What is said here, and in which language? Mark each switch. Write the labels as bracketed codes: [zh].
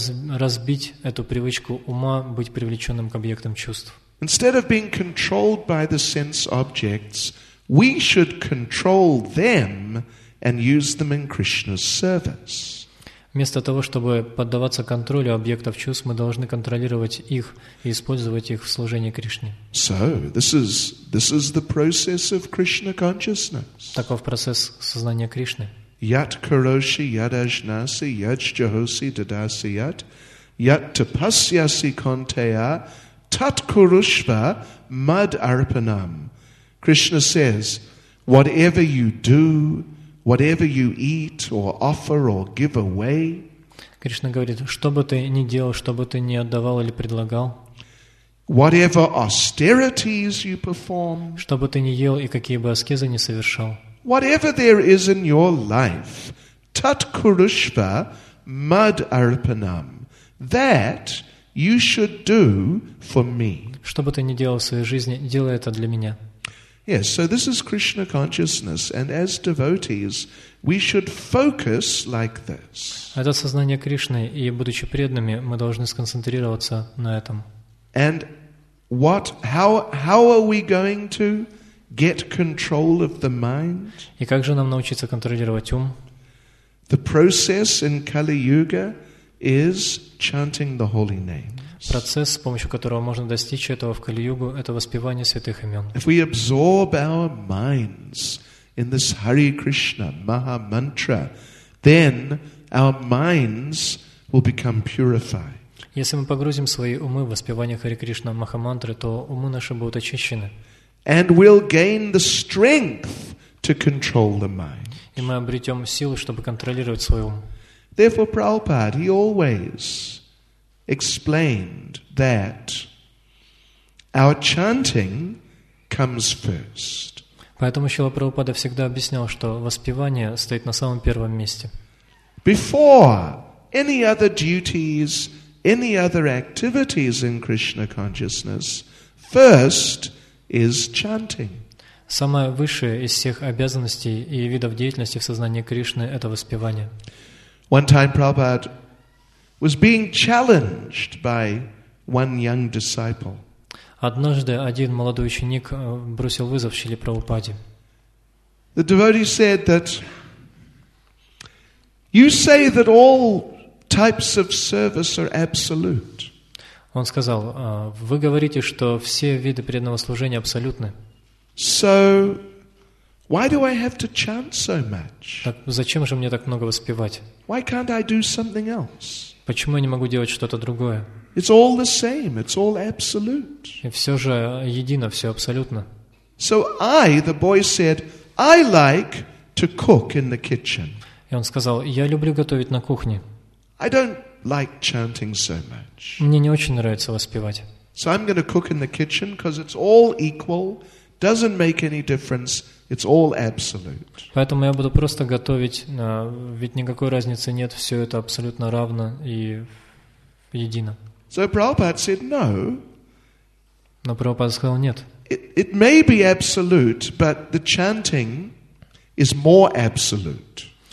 [ru] Разбить эту привычку ума быть привлеченным к объектам чувств. [en] Instead of being controlled by the sense objects, we should control them and use them in Krishna's service. [ru] Вместо того, чтобы поддаваться контролю объектов чувств, мы должны контролировать их и использовать их в служении Кришне. [en] So, this is the process of Krishna consciousness. [ru] Таков процесс сознания Кришны. [sa] Yat karoshi yad ajnasi yad jahosi dadasi yat yat tapasyasi konteya tat kurushva mad arpanam. [en] Krishna says, whatever you do, whatever you eat or offer or give away, [ru] Кришна говорит, что бы ты ни делал, что бы ты ни отдавал или предлагал, [en] whatever austerities you perform, [ru] что бы ты ни ел и какие бы аскезы ни совершал, [en] whatever there is in your life, [sa] tat kurushva mad arpanam, [en] that you should do for me. [ru] Что бы ты ни делал в своей жизни, делай это для меня. [en] Yes, so this is Krishna consciousness, and as devotees, we should focus like this. [ru] Это сознание Кришны, и будучи преданными, мы должны сконцентрироваться на этом. [en] And what? How are we going to get control of the mind? [ru] И как же нам научиться контролировать ум? [en] The process in Kali Yuga is chanting the holy name. [ru] Процесс, с помощью которого можно достичь этого в Кали-югу, это воспевание святых имен. [en] If we absorb our minds in this Hare Krishna Maha Mantra, then our minds will become purified. [ru] Если мы погрузим свои умы в воспевание Хари Кришна Маха Мантры, то умы наши будут очищены. [en] And we'll gain the strength to control the mind. [ru] И мы обретем силы, чтобы контролировать свой ум. [en] Therefore, Prabhupada, he always explained that our chanting comes first. [ru] Поэтому Шрила Прабхупада всегда объяснял, что воспевание стоит на самом первом месте. [en] Before any other duties, any other activities in Krishna consciousness, first is chanting. [ru] Самое высшее из всех обязанностей и видов деятельности в сознании Кришны — это воспевание. [en] One time Prabhupada was being challenged by one young disciple. [ru] Однажды один молодой ученик бросил вызов Шриле Прабхупаде. [en] The devotee said that you say that all types of service are absolute. [ru] Он сказал: вы говорите, что все виды преданного служения абсолютны. [en] So why do I have to chant so much? [ru] Так зачем же мне так много воспевать? [en] Why can't I do something else? [ru] Почему я не могу делать что-то другое? [en] It's all the same, it's all absolute. [ru] И все же едино, все абсолютно. [en] So I, the boy said, I like to cook in the kitchen. [ru] И он сказал: я люблю готовить на кухне. [en] I don't like chanting so much. Мне не очень нравится воспевать. So I'm going to cook in the kitchen because it's all equal, doesn't make any difference. It's all absolute. [ru] Поэтому я буду просто готовить, ведь никакой разницы нет, все это абсолютно равно и едино. [en] So Prabhupada said no. [ru] Но Прабхупада сказал нет. [en] It may be absolute, but the chanting is more absolute.